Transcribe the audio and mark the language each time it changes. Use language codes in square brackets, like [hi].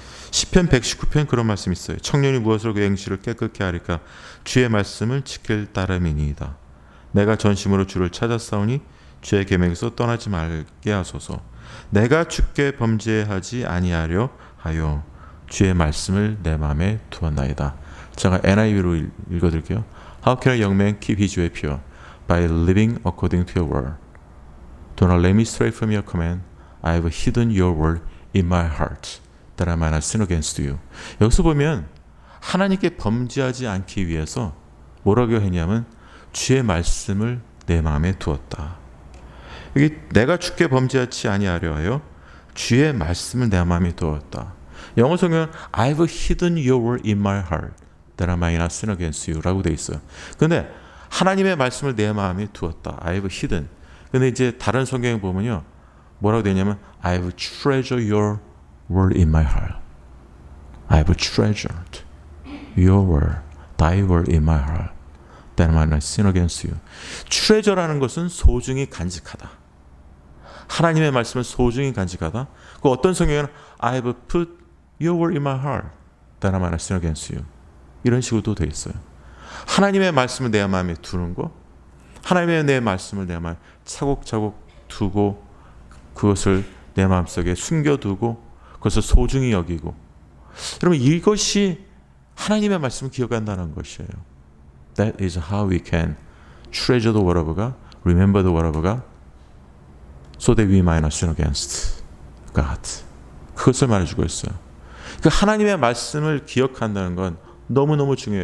[ko] 시편 119편 그런 말씀이 있어요. 청년이 무엇으로 그 행실을 깨끗케 하리까? 주의 말씀을 지킬 따름이니이다. 내가 전심으로 주를 찾았사오니 주의 계명에서 떠나지 말게 하소서. 내가 주께 범죄하지 아니하려 하여 주의 말씀을 내 마음에 두었나이다. 제가 NIV로 읽어드릴게요. [en] How can a young man keep his way pure? By living according to your word. Do not let me stray from your command. I have hidden your word in my heart, that I might not sin against you. [ko] 여기서 보면 하나님께 범죄하지 않기 위해서 뭐라고 했냐면 주의 말씀을 내 마음에 두었다. 여기 내가 주께 범죄하지 아니하려 하여 주의 말씀을 내 마음에 두었다. 영어 성경은 [en] I have hidden your word in my heart, that I might not sin against you [ko] 라고 되어 있어요. 근데 하나님의 말씀을 내 마음에 두었다. [en] I have hidden. [ko] 근데 이제 다른 성경에 보면요, 뭐라고 되냐면 I have treasured your word in my heart. I have treasured your word, thy word in my heart, that I might not sin against you. Treasure라는 것은 소중히 간직하다. 하나님의 말씀을 소중히 간직하다. 그 어떤 성경에는 I have put your word in my heart, that I might not sin against you. 이런 식으로도 되어 있어요. 하나님의 말씀을 내 마음에 두는 거, 하나님의 내 말씀을 내 마음에 차곡차곡 두고 그것을 내 마음속에 숨겨두고 그것을 소중히 여기고. 여러분 이것이 하나님의 말씀을 기억한다는 것이에요. [en] That is how we can treasure the word of God, remember the word of God, so that we might not sin against God. [ko] 그것을 말해주고 있어요. 그 하나님의 말씀을 기억한다는 건 너무너무 중요해요.